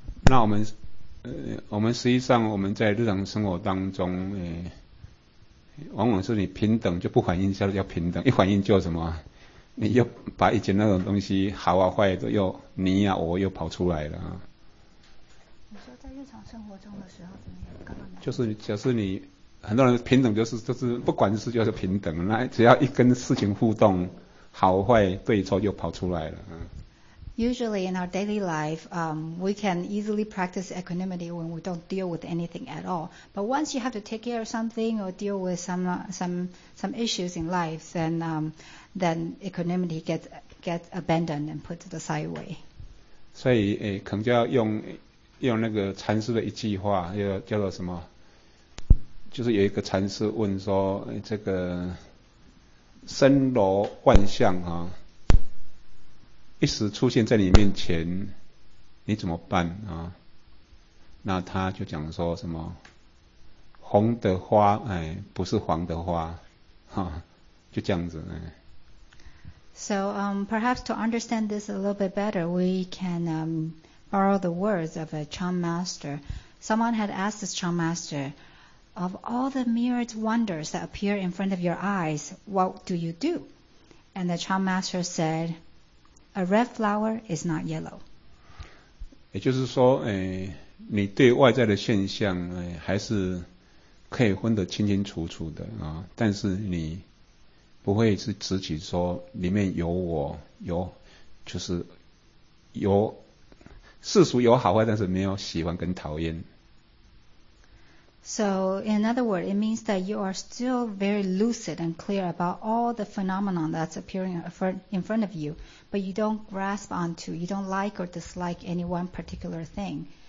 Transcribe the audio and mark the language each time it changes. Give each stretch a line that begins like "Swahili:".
Chinese: 那我们实际上我们在日常生活当中，往往是你平等就不反应，叫平等；一反应就什么，你又把以前那种东西好啊坏都又你啊我又跑出来了。你说在日常生活中的时候怎么样？刚刚就是假设你很多人平等就是不管事就是平等，那只要一跟事情互动好坏对错又跑出来了。
English: Usually in our daily life, we can easily practice equanimity when we don't deal with anything at all. But once you have to take care of something or deal with some issues in life, then equanimity gets abandoned and put to the side way.
Chinese: 所以可能就要用那个禅师的一句话，叫做什么？就是有一个禅师问说，这个身罗万象啊。一时出现在你面前，你怎么办啊？那他就讲说什么，红的花，哎，不是黄的花，哈，就这样子。哎、
English: So, perhaps to understand this a little bit better, we can borrow the words of a Chan master. Someone had asked this Chan master, "Of all the myriad wonders that appear in front of your eyes, what do you do?" And the Chan master said. A red flower is not yellow.
Chinese: 也就是说，你对外在的现象，还是可以分得清清楚楚的啊。但是你不会是自己说里面有我有，就是有世俗有好坏，但是没有喜欢跟讨厌。
English: So, in other words, it means that you are still very lucid and clear about all the phenomena that's appearing in front of you, but you don't grasp onto, you don't like or dislike any one particular thing.